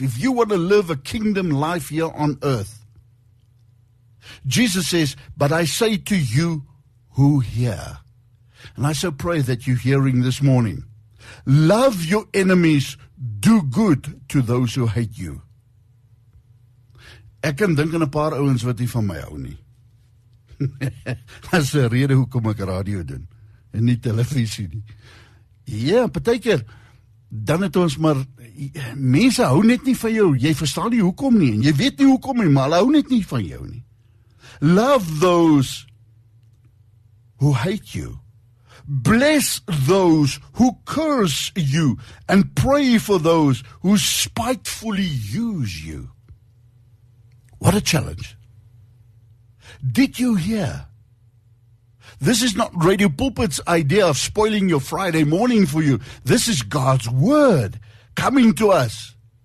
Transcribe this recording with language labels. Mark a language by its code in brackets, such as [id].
[en] If you want to live a kingdom life here on earth, Jesus says, but I say to you who hear, and I so pray that you're hearing this morning, love your enemies, do good to those who hate you. [af] Ek kan dink aan 'n paar ouens wat nie van my hou nie. Dat is een rede hoekom ek radio doen en nie televisie nie. Ja, partykeer, dan het ons maar, mense hou net nie van jou, jy verstaan nie hoekom nie, en jy weet nie hoekom nie, maar hulle hou net nie van jou nie. [en] Love those who hate you. Bless those who curse you, and pray for those who spitefully use you. What a challenge. Did you hear? This is not Radio Pulpit's idea of spoiling your Friday morning for you. This is God's word coming to us.